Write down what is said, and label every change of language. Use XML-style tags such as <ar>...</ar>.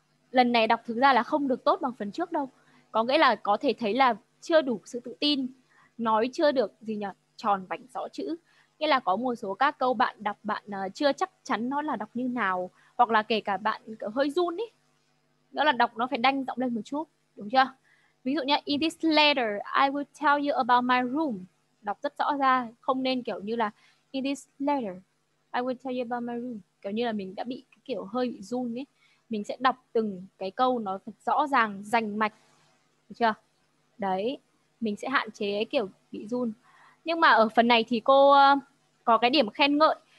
<vi>Lần này đọc thực ra là không được tốt bằng phần trước đâu. Có nghĩa là có thể thấy là chưa đủ sự tự tin, nói chưa được gì nhỉ, tròn vành rõ chữ. Nghĩa là có một số các câu bạn đọc bạn chưa chắc chắn nó là đọc như nào, hoặc là kể cả bạn hơi run ấy. Đó là đọc nó phải đanh giọng lên một chút, đúng chưa? Ví dụ nhé,</vi> <en>in this letter, I will tell you about my room.</en> <vi>Đọc rất rõ ra, không nên kiểu như là</vi> <en>in this letter, I will tell you about my room.</en> <vi>Kiểu như là mình đã bị kiểu hơi bị run ấy. Mình sẽ đọc từng cái câu nó thật rõ ràng, rành mạch. chưa? Đấy, mình sẽ hạn chế kiểu bị run. Nhưng mà ở phần này thì cô có cái điểm khen ngợi.</vi>